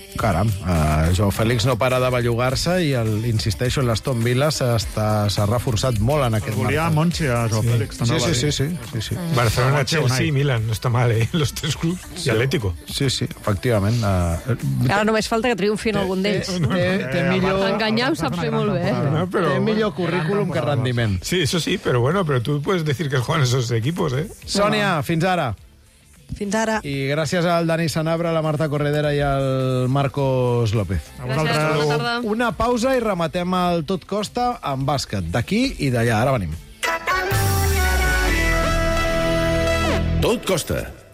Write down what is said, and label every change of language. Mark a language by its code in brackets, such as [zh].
[ca] Caram, João Félix no para de bellugar-se i, insisteixo, l'Aston Villa s'ha reforçat molt en aquest marge. Volia a Monchi, a João Félix. Sí. Barcelona, Chelsea i Milan, no està mal, [es] los tres clubs. [ca] Sí. I Atlético. Sí, sí, efectivament. Ara només falta que triomfi en algun d'ells. Enganyar ho saps fer molt bé. Té millor currículum que rendiment. [es] Sí, eso sí, pero bueno, pero tú puedes decir que juegan esos equipos, ¿eh? [ca] Sònia, fins ara. Fins ara. I gràcies al Dani Sanabra, a la Marta Corredera i al Marcos López. A vosaltres. Gràcies, bona tarda. Una pausa i rematem el Tot Costa amb bàsquet. D'aquí i d'allà. Ara venim. Tot Costa.